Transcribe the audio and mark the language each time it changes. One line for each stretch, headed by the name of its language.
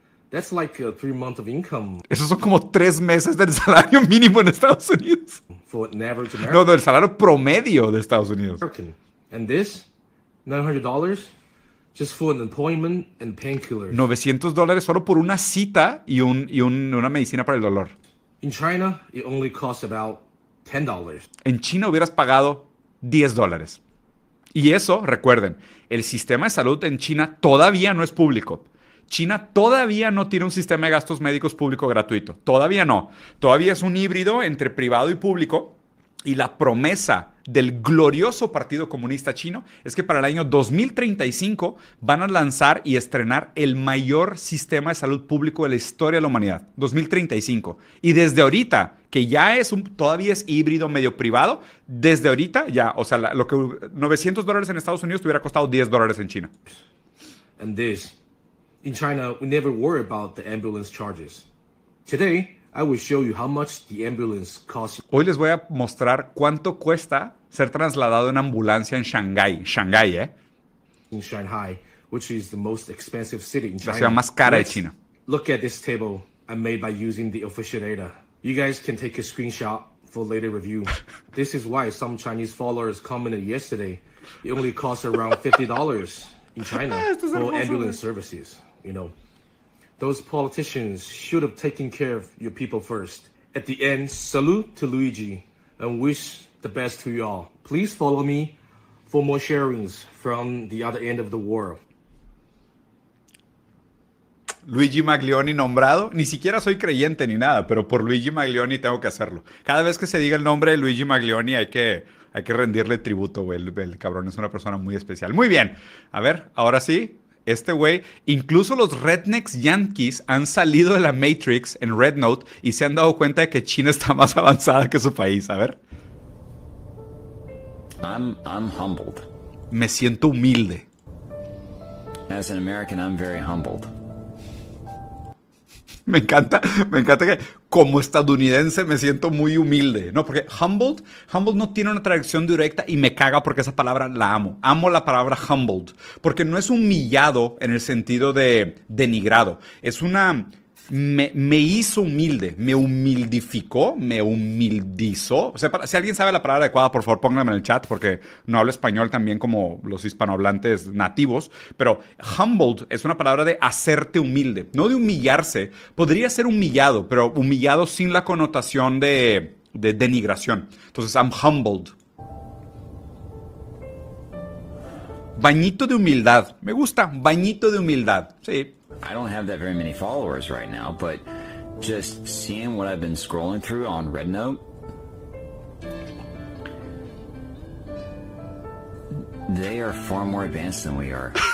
English: That's like a 3 months of income.
Spanish: Esos son como 3 meses del salario mínimo en Estados Unidos.
English: For an average American.
Spanish: No, del salario promedio de Estados Unidos.
English: And this, $900. Just for an appointment and painkillers.
Spanish: $900 solo por una cita y una medicina para el dolor.
English: In China, it only costs about $10.
Spanish: En China hubieras pagado $10. Y eso, recuerden, el sistema de salud en China todavía no es público. China todavía no tiene un sistema de gastos médicos público gratuito. Todavía no. Todavía es un híbrido entre privado y público. Y la promesa del glorioso Partido Comunista Chino es que para el año 2035 van a lanzar y estrenar el mayor sistema de salud público de la historia de la humanidad. 2035. Y desde ahorita, que ya es todavía es híbrido medio privado, desde ahorita ya, o sea, lo que $900 en Estados Unidos te hubiera costado $10 en China.
English: And this, in China, we never worry about the ambulance charges. Today, I will show you how much the ambulance costs.
Spanish: Hoy les voy a mostrar cuánto cuesta ser trasladado en ambulancia en Shanghai. Shanghai, ¿eh?
English: In Shanghai, which is the most expensive city in China.
Spanish: La ciudad más cara de China.
English: Look at this table I made by using the official data. You guys can take a screenshot for later review. This is why some Chinese followers commented yesterday. It only costs around $50 in China for ambulance services, you know. Those politicians should have taken care of your people first. At the end, salute to Luigi and wish the best to y'all. Please follow me for more sharings from the other end of the world.
Spanish: Luigi Maglioni nombrado. Ni siquiera soy creyente ni nada, pero por Luigi Maglioni tengo que hacerlo. Cada vez que se diga el nombre de Luigi Maglioni hay que rendirle tributo, güey. El cabrón es una persona muy especial. Muy bien. A ver, ahora sí. Este güey, incluso los rednecks yankees han salido de la Matrix en Red Note y se han dado cuenta de que China está más avanzada que su país. A ver.
English: I'm humbled.
Spanish: Me siento humilde.
English: As an American, I'm very humbled.
Spanish: Me encanta que como estadounidense me siento muy humilde. No, porque humbled no tiene una traducción directa y me caga porque esa palabra la amo. Amo la palabra humbled porque no es humillado en el sentido de denigrado. Es una, me hizo humilde, me humildificó, me humildizó. O sea, si alguien sabe la palabra adecuada, por favor, pónganme en el chat porque no hablo español también como los hispanohablantes nativos. Pero humbled es una palabra de hacerte humilde, no de humillarse. Podría ser humillado, pero humillado sin la connotación de denigración. Entonces,
English: I'm humbled.
Spanish: Bañito de humildad. Me gusta, bañito de humildad. Sí.
English: I don't have that very many followers right now, but just seeing what I've been scrolling through on RedNote, they are far more advanced than we are.